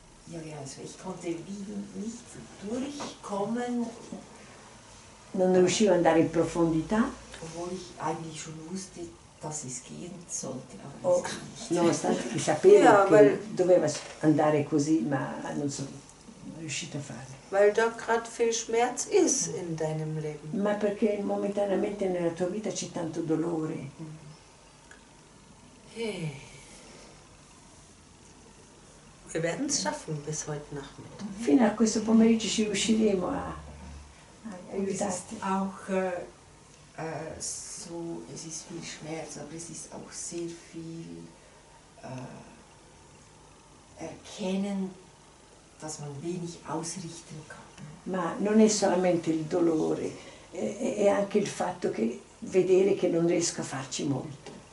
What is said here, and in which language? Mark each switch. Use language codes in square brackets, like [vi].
[de] Ja, also ich konnte wie nicht durchkommen. [it] Non riuscivo ad andare in profondità. [de] Obwohl ich eigentlich schon wusste, dass es gehen sollte. [it] Nonostante che sapevo che doveva andare così, ma non so. [de] Weil da gerade viel Schmerz ist in deinem Leben. [it] Ma perché momentaneamente nella tua vita c'è tanto dolore. [de] Wir werden es schaffen bis heute Nachmittag. [it] Fino a questo pomeriggio ci riusciremo a aiutarti. [de] Auch so, es ist viel Schmerz, aber es ist auch sehr viel erkennen. Dass man wenig ausrichten kann. [it] Ma non è solamente il dolore, è anche il fatto che vedere che non riesco a farci molto.